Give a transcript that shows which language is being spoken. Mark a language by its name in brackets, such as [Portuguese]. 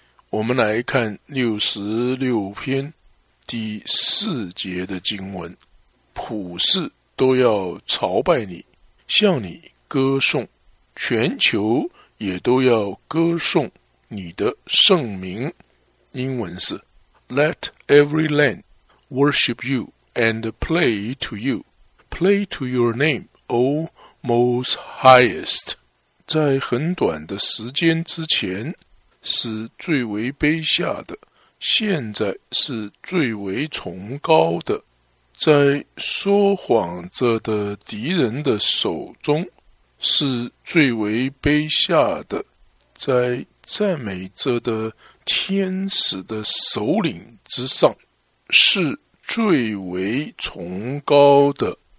[Chinese] 我们来看66篇第四节的经文，普世都要朝拜你，向你歌颂，全球也都要歌颂你的圣名。英文是 [English] Let every land worship you and play to you, play to your name, O Most Highest。 [Chinese] 在很短的时间之前是最为卑下的，现在是最为崇高的。在说谎者的敌人的手中是最为卑下的，在赞美者的天使的首领之上是最为崇高的。